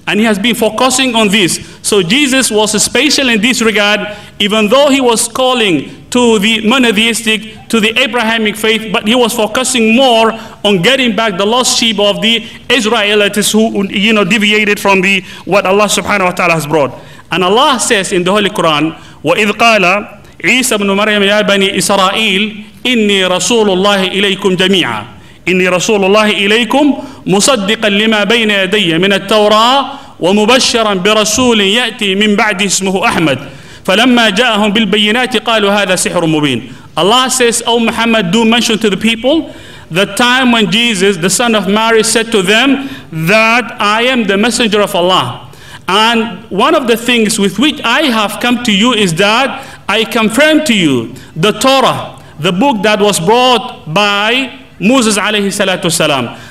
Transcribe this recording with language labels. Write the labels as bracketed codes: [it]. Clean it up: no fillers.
[en] And he has been focusing on this. So Jesus was special in this regard, even though he was calling to the monotheistic, to the Abrahamic faith, but he was focusing more on getting back the lost sheep of the Israelites who, you know, deviated from the what Allah subhanahu wa ta'ala has brought. And Allah says in the Holy Quran, [ar] وَإِذْ قَالَ عِيسَى بْنُ مَرْيَمَ يَا بَنِي إِسْرَائِيلِ إِنِّي رَسُولُ اللَّهِ إِلَيْكُمْ جَمِيعًا إني رسول الله إليكم مصدقا لما بين يدي من التوراة ومبشرا برسول يأتي من بعد اسمه أحمد فلما جاءهم بالبينات قالوا هذا سحر مبين. [en] Allah says, O Muhammad, do mention to the people the time when Jesus, the son of Mary, said to them that I am the messenger of Allah. And one of the things with which I have come to you is that I confirm to you the Torah, the book that was brought by Moses alayhi salatu salam.